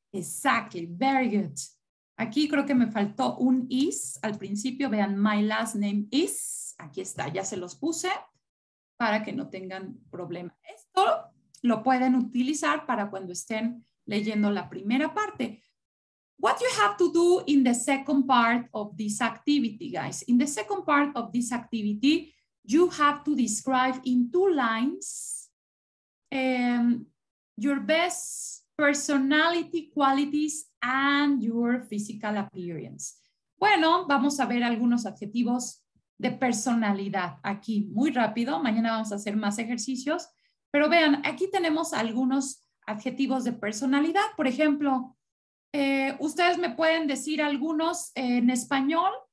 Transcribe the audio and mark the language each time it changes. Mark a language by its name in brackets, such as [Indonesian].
[English] Exactly. Very good. [Spanish] Aquí creo que me faltó un is al principio. Vean, [English] my last name is. [Spanish] Aquí está, ya se los puse para que no tengan problema. Esto lo pueden utilizar para cuando estén leyendo la primera parte. [English] What you have to do in the second part of this activity, guys. In the second part of this activity, you have to describe in two lines your best personality qualities and your physical appearance. [Spanish] Bueno, vamos a ver algunos adjetivos de personalidad aquí muy rápido. Mañana vamos a hacer más ejercicios. Pero vean, aquí tenemos algunos adjetivos de personalidad. Por ejemplo, ustedes me pueden decir algunos en español.